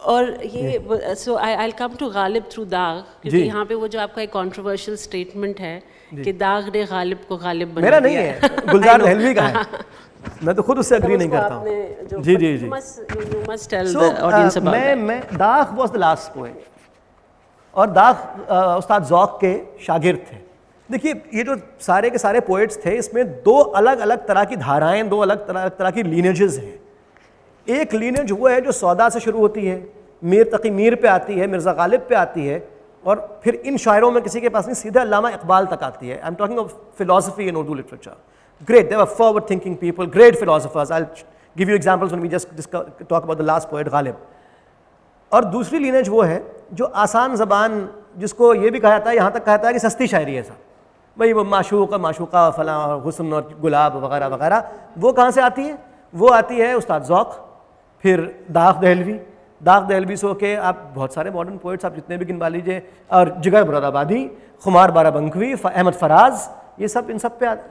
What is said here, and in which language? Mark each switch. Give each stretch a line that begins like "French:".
English: or he so I'll come to
Urdu: Ghalib through داغ کیونکہ یہاں پہ وہ جو آپ کا ایک کنٹروورشل سٹیٹمنٹ ہے کہ داغ نے غالب کو غالب بنا دیا میرا نہیں ہے گلزار دہلوی کا ہے میں تو خود اس سے اگری نہیں کرتا ہوں جی جی جی
English: must tell the audience about میں
Urdu: داغ
English: was the last poet
Urdu: اور داغ استاد ذوق کے شاگرد تھے دیکھیے یہ جو سارے کے سارے پوئٹس تھے اس میں دو الگ الگ طرح کی دھارائیں دو الگ طرح کی لینیجز ہیں ایک لینیج وہ ہے جو سودا سے شروع ہوتی ہے میر تقی میر پہ آتی ہے مرزا غالب پہ آتی ہے اور پھر ان شاعروں میں کسی کے پاس نہیں سیدھے علامہ اقبال تک آتی ہے
English: I am talking of philosophy in Urdu literature great. They were forward-thinking people, great philosophers. I'll give you examples when we just talk about the last poet, Ghalib.
Urdu: اور دوسری لینیج وہ ہے جو آسان زبان جس کو یہ بھی کہا جاتا ہے یہاں تک کہا جاتا ہے کہ سستی شاعری ہے صاحب بھائی وہ معشوق اور معشوقہ فلاں اور حسن اور گلاب وغیرہ وغیرہ وہ کہاں سے آتی ہے وہ آتی ہے استاد ذوق پھر داغ دہلوی داغ دہلوی سو کے آپ بہت سارے ماڈرن پوئٹس آپ جتنے بھی گنوا لیجیے اور جگر مراد آبادی خمار بارہ بنکوی احمد فراز یہ سب ان سب پہ